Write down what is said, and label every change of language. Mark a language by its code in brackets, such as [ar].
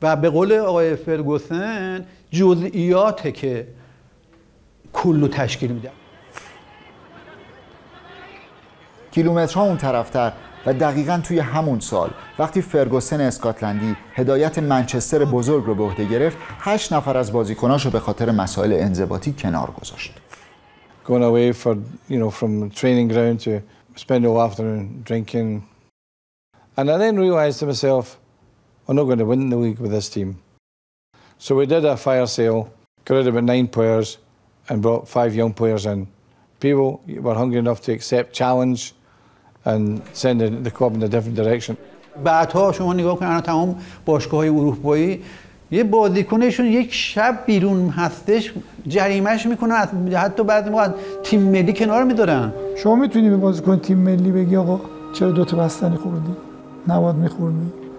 [fa] و به قول آقای فرگوسن جزئیاته که کل رو تشکیل میده. کیلومترها اون طرفتر و دقیقاً توی همون سال وقتی فرگوسن اسکاتلندی هدایت منچستر بزرگ رو به عهده گرفت، 8 نفر از بازیکناش رو به خاطر مسائل انضباطی کنار گذاشت. [en] Going away for, you know, from training ground to spend all afternoon drinking. And I then realized to myself, I'm not going to win the league with this team. So we did a fire sale, got rid of about 9 players and brought 5 young players in. People were hungry enough to accept challenge and send the club in a different direction. [fa] بعدها شما نگاه کنید، الان تمام باشگاه‌های اروپایی یه بازیکنشون یک شب بیرون هستش جریمهش میکنه، حتی بعد وقت تیم ملی کنار میذارن. شما میتونی به بازیکن تیم ملی بگی آقا چرا دو تا بستنی خوردی؟ نباید میخوردی.